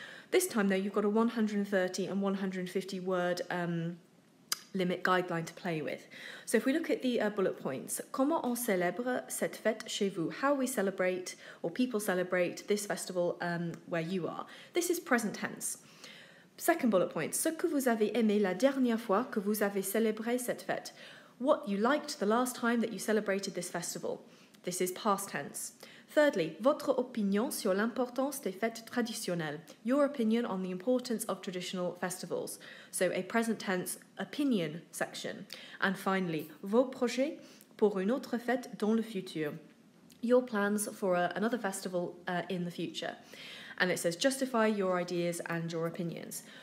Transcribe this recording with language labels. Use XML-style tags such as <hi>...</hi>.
<en>This time, though, you've got a 130 and 150 word limit guideline to play with. So if we look at the bullet points,</en> <fr>comment on célèbre cette fête chez vous?</fr> <en>How we celebrate, or people celebrate, this festival where you are. This is present tense. Second bullet point,</en> <fr>ce que vous avez aimé la dernière fois que vous avez célébré cette fête.</fr> <en>What you liked the last time that you celebrated this festival. This is past tense. Thirdly,</en> <fr>votre opinion sur l'importance des fêtes traditionnelles.</fr> <en>Your opinion on the importance of traditional festivals. So a present tense opinion section. And finally,</en> <fr>vos projets pour une autre fête dans le futur.</fr> <en>Your plans for another festival in the future. And it says justify your ideas and your opinions.</en>